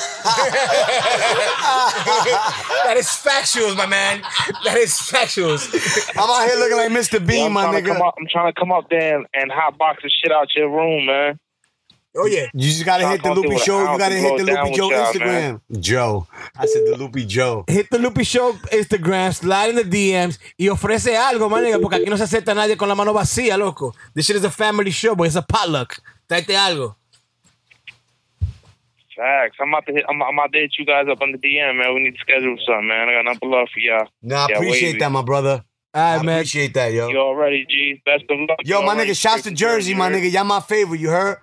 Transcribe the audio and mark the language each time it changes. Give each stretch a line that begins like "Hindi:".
English: That is factuals, my man. That is factuals. I'm out here looking like Mr. Bean, yeah, my nigga. I'm trying to come up there and hot box the shit out your room, man. Oh, yeah. You just got to hit the Loopy Show. You got to hit the Loopy Joe Instagram. Joe. I said the Loopy Joe. Hit the Loopy Show Instagram. Slide in the DMs.
Spanish: Y ofrece algo,
English: my nigga,
Spanish: porque aquí no se acepta nadie con la mano vacía, loco.
English: This shit is a family show, but it's a potluck.
Spanish: Tráete algo.
English: Facts. I'm about to hit you guys up on the DM, man. We need to schedule something, man. I got nothing but love for y'all. Nah, appreciate that, my brother. All right, I appreciate that, yo. You already, G. Best of luck. Yo, my nigga, shouts to Jersey, my nigga. Y'all my favorite, you heard?